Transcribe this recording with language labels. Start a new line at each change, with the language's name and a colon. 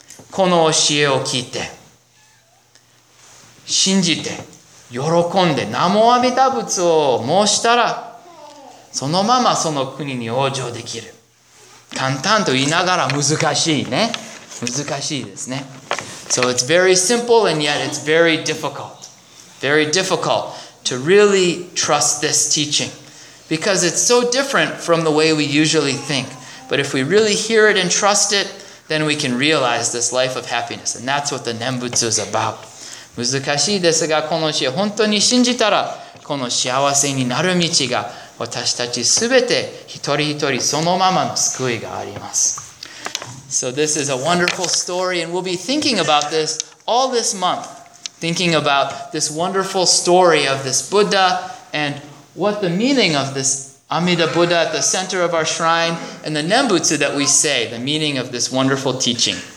Japanese: この教えを聞いて、信じて、喜んで、南無阿弥陀仏を申したら、そのままその国に往生できる。簡単と言いながら難しいね。難しいですね。
English: So it's very simple and yet it's very difficult. Very difficult to really trust this teaching. Because it's so different from the way we usually think. But if we really hear it and trust it, then we can realize this life of happiness. And that's what the Nembutsu is about.
Japanese: 難しいですが、この教え本当に信じたら、この幸せになる道が、私たちすべて一人一人そのままの救いがあります。
English: So this is a wonderful story, and we'll be thinking about this all this month. Thinking about this wonderful story of this Buddha, and what the meaning of this Amida Buddha at the center of our shrine, and the Nembutsu that we say, the meaning of this wonderful teaching.